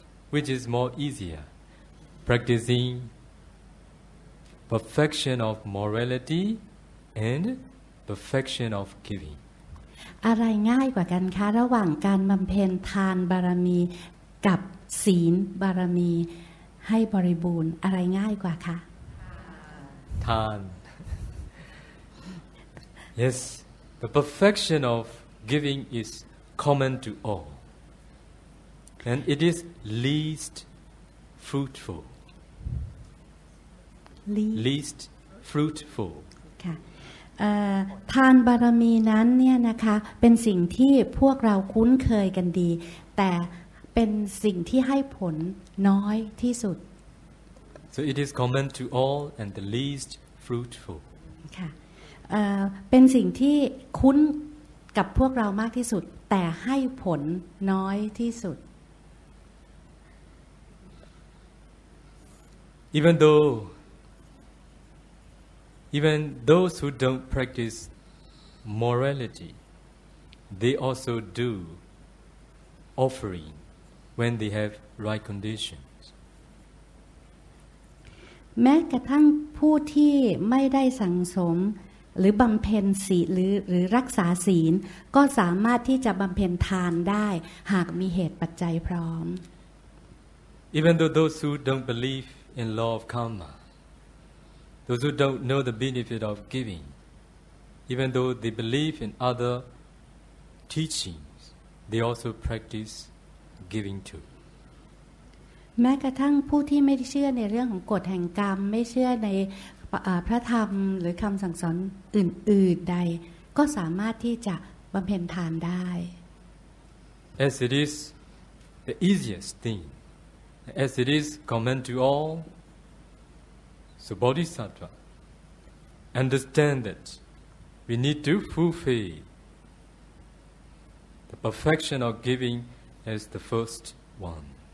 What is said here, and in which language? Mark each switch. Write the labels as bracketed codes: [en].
[en] Which is more easier practicing perfection of morality and perfection of giving [th] อะไรง่ายกว่ากันคะระหว่างการบำเพ็ญทานบารมีกับศีลบารมีให้บริบูรณ์อะไรง่ายกว่าคะ [en] ทาน Yes the perfection of giving is common to all and it is least fruitful [th] ค่ะทานบารมีนั้นเนี่ยนะคะเป็นสิ่งที่พวกเราคุ้นเคยกันดีแต่เป็นสิ่งที่ให้ผลน้อยที่สุด [en] So it is common to all and the least fruitful [th] ค่ะเป็นสิ่งที่คุ้นกับพวกเรามากที่สุดแต่ให้ผลน้อยที่สุด [en] Even those who don't practice morality, they also do offering when they have right conditions. [th] แม้กระทั่งผู้ที่ไม่ได้สั่งสมหรือบำเพ็ญศีลหรือรักษาศีลก็สามารถที่จะบำเพ็ญทานได้หากมีเหตุปัจจัยพร้อม [en] Even though those who don't believe in law of karmaThose who don't know the benefit of giving, even though they believe in other teachings, they also practice giving too. [th] แม้กระทั่งผู้ที่ไม่เชื่อในเรื่องของกฎแห่งกรรมไม่เชื่อในพระธรรมหรือคำสั่งสอนอื่นๆใดก็สามารถที่จะบำเพ็ญทานได้ [en] As it is the easiest thing, as it is common to all,So Bodhisattva understand that we need to fulfill the perfection of giving as the first one.